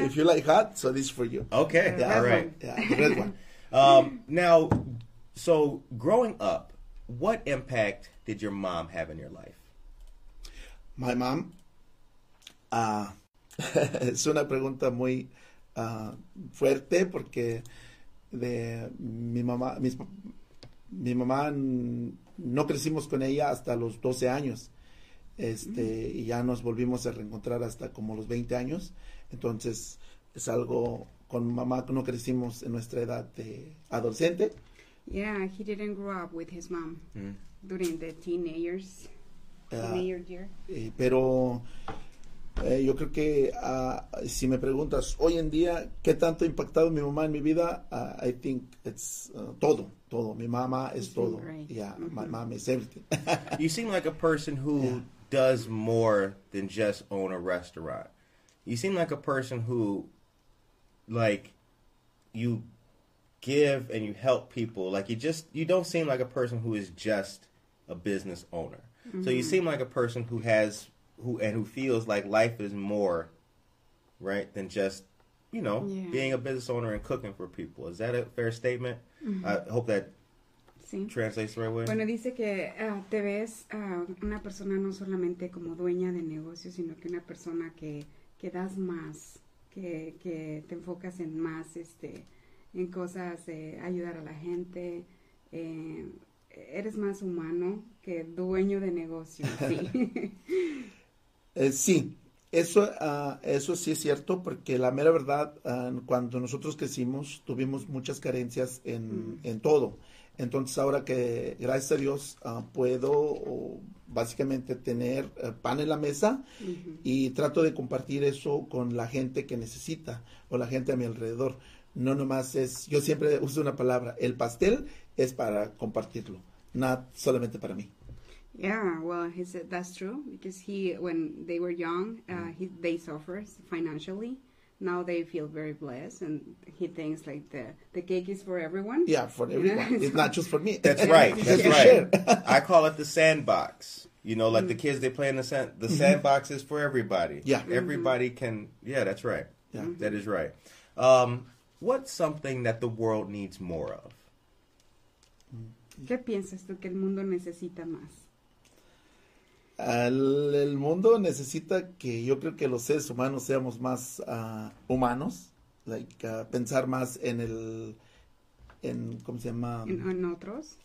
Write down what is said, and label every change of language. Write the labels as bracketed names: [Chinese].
[English] If you like hot, so this is for you. Okay, yeah, all right. Yeah, red one. Now, so growing up, what impact did your mom have in your life? My mom? [Spanish] Es una pregunta muy fuerte porque de mi mamá no crecimos con ella hasta los 12 años, y ya nos volvimos a reencontrar hasta como los 20 años. Entonces, es algo con mamá que no crecimos en nuestra edad de adolescente. [English] Yeah, he didn't grow up with his mom during the teenagers, teenager year. [Spanish] Yo creo que si me preguntas hoy en día qué tanto ha impactado mi mamá en mi vida, [English] I think it's [Spanish] todo. Mi mamá es todo. [English] Right. Yeah, my mom is everything. You seem like a person who does more than just own a restaurant. You seem like a person who, like, you give and you help people. Like, you don't seem like a person who is just a business owner. Mm-hmm. So you seem like a person who has... who feels like life is more, right, than just, you know, being a business owner and cooking for people. Is that a fair statement? Mm-hmm. I hope that translates the right way. [Spanish] Bueno, dice que te ves una persona no solamente como dueña de negocios, sino que una persona que das más, que te enfocas en más, en cosas de ayudar a la gente, eres más humano que dueño de negocios, sí. Sí, Eso sí es cierto, porque la mera verdad, cuando nosotros crecimos, tuvimos muchas carencias en todo. Entonces, ahora que, gracias a Dios, puedo básicamente tener pan en la mesa y trato de compartir eso con la gente que necesita o la gente a mi alrededor. No nomás es, yo siempre uso una palabra, el pastel es para compartirlo, no solamente para mí. [English] Yeah, well, he said that's true because he, when they were young, they suffered financially. Now they feel very blessed, and he thinks like the cake is for everyone, Yeah, for you know. everyone. It's not just for me. That's right. That's right. I call it the sandbox. You know, like the kids, they play in the sandbox is for everybody. Everybody can. Yeah, that's right. That is right. What's something that the world needs more of? [Spanish] ¿Qué piensas tú que el mundo necesita más? El mundo necesita que yo creo que los seres humanos seamos más humanos, pensar más en el, en, ¿cómo se llama? En otros.